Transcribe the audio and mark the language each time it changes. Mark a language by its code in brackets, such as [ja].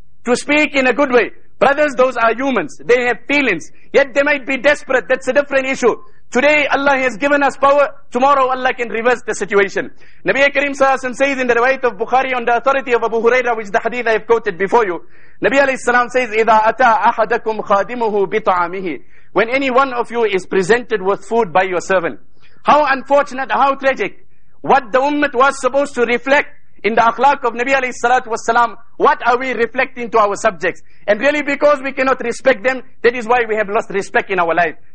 [en] To speak in a good way. Brothers, those are humans. They have feelings. Yet they might be desperate. That's a different issue. Today Allah has given us power. Tomorrow Allah can reverse the situation. Nabi Kareem sallallahu alayhi wa sallam says in the riwayat of Bukhari on the authority of Abu Huraira, which the hadith I have quoted before you. Nabi alayhi salam says, [ar] إِذَا أَتَى أَحَدَكُمْ خَادِمُهُ بِطَعَامِهِ. [en] When any one of you is presented with food by your servant. How unfortunate, how tragic. What the ummah was supposed to reflect in the akhlaq of Nabi alayhi salatu was salam, what are we reflecting to our subjects? And really, because we cannot respect them, that is why we have lost respect in our life.